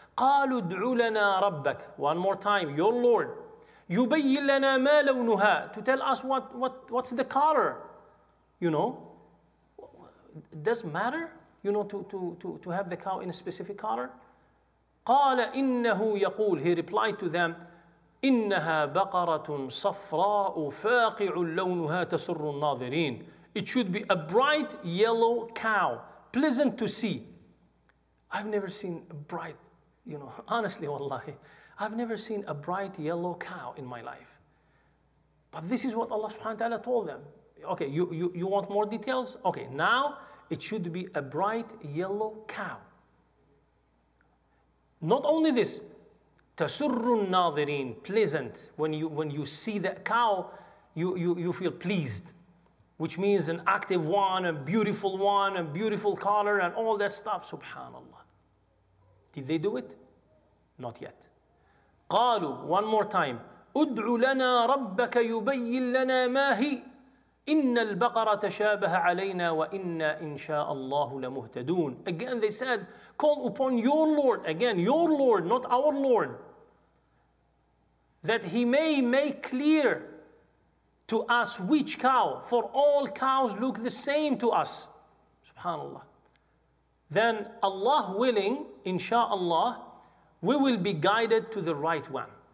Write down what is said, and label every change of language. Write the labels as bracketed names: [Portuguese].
[Arabic] قَالُوا ادْعُوا لَنَا رَبَّكَ. [English] One more time, your Lord. [Arabic] يُبَيِّن لَنَا مَا لَوْنُهَا. [English] To tell us what's the color. You know, does matter, you know, to have the cow in a specific color? [Arabic] قَالَ إِنَّهُ يَقُولُ. [English] He replied to them, [Arabic] إِنَّهَا بَقَرَةٌ صَفْرَاءُ فَاقِعٌ لَوْنُهَا تَسُرُّ النَّاظِرِينَ. [English] It should be a bright yellow cow, pleasant to see. I've never seen a bright, you know, honestly, wallahi, I've never seen a bright yellow cow in my life. But this is what Allah subhanahu wa ta'ala told them. Okay, you want more details? Okay, now it should be a bright yellow cow. Not only this, [Arabic] تَسُرُّ النَّاظِرِينَ, [English] pleasant. When you see that cow, you feel pleased, which means an active one, a beautiful color, and all that stuff. Subhanallah. Did they do it? Not yet. [Arabic] قَالُوا, [English] one more time, [Arabic] أُدْعُ لَنَا رَبَّكَ يُبَيِّن لَنَا مَا هِي إِنَّ الْبَقَرَ تَشَابَهَ عَلَيْنَا وَإِنَّا إِنْ شَاءَ اللَّهُ لَمُهْتَدُونَ. [English] Again they said, call upon your Lord. Again, your Lord, not our Lord. That he may make clear to us which cow, for all cows look the same to us. Subhanallah. Then Allah willing, inshaAllah, we will be guided to the right one.